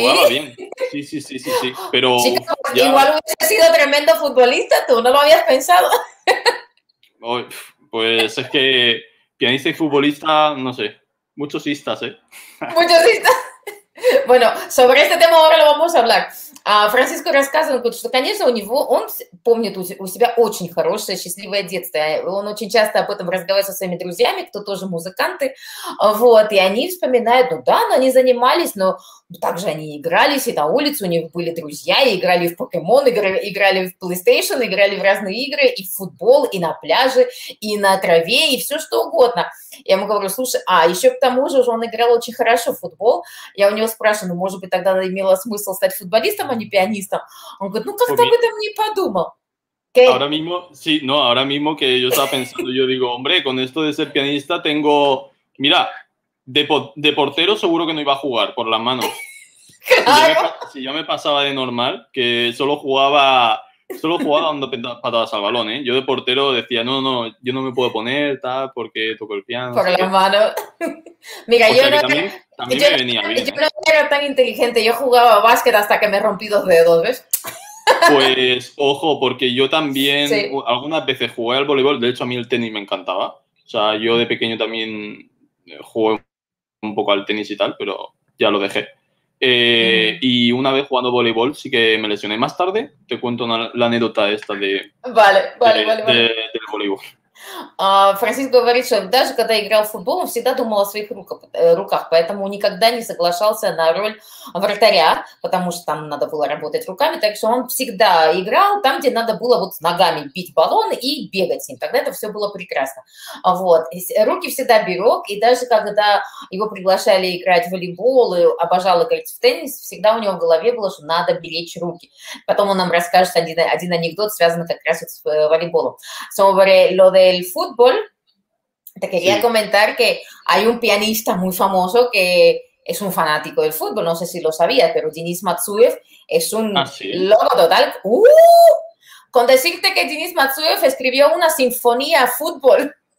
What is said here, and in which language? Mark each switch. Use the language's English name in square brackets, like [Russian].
[Spanish] Jugaba bien. Sí. Pero chico, ya... igual hubiese sido tremendo futbolista, tú no lo habías pensado. Pues es que pianista y futbolista, no sé, muchos istas, ¿eh? Muchos istas. Bueno, sobre este tema ahora lo vamos a hablar. [Russian] Francisco рассказывает, что, конечно, у него, он помнит у себя очень хорошее, счастливое детство. Он очень часто об этом разговаривает со своими друзьями, кто тоже музыканты. Вот, и они вспоминают, ну, они занимались, но также они игрались, и на улице у них были друзья, и играли в Pokemon, играли в PlayStation, играли в разные игры, и в футбол, и на пляже, и на траве, и все что угодно. Я ему говорю, слушай, а еще к тому же он играл очень хорошо в футбол. Я у него спрашиваю, может быть, тогда имело смысл стать футболистом, а не пианистом? Он говорит, как-то об этом не подумал. [Spanish] ¿Qué? Ahora mismo, sí, no, ahora mismo que yo estaba pensando, yo digo, hombre, con esto de ser pianista tengo, mira, de portero seguro que no iba a jugar por las manos. Claro. Si yo me pasaba de normal, que solo jugaba dando patadas al balón, ¿eh? Yo de portero decía, no, yo no me puedo poner, tal, porque toco el piano. Por las manos. Mira, o yo sea no. Que también me venía bien. Yo no era tan inteligente, yo jugaba básquet hasta que me rompí 2 dedos, ¿ves? Pues, ojo, porque yo también algunas veces jugué al voleibol, de hecho a mí el tenis me encantaba. O sea, yo de pequeño también jugué un poco al tenis y tal, pero ya lo dejé. Y una vez jugando voleibol sí que me lesioné más tarde. Te cuento la anécdota esta vale. Del voleibol. [Russian] Франциск говорит, что даже когда играл в футбол, он всегда думал о своих руках, поэтому никогда не соглашался на роль вратаря, потому что там надо было работать руками, так что он всегда играл там, где надо было вот ногами бить баллон и бегать с ним, тогда это все было прекрасно. Вот. Руки всегда берег, и даже когда его приглашали играть в волейбол, и обожал играть в теннис, всегда у него в голове было, что надо беречь руки. Потом он нам расскажет один анекдот, связанный как раз вот с волейболом. [Spanish] Sobre lo del fútbol, te quería sí. comentar que hay un pianista muy famoso que es un fanático del fútbol, no sé si lo sabías, pero Denis Matsuev es un loco total. Con decirte que Denis Matsuev escribió una sinfonía fútbol.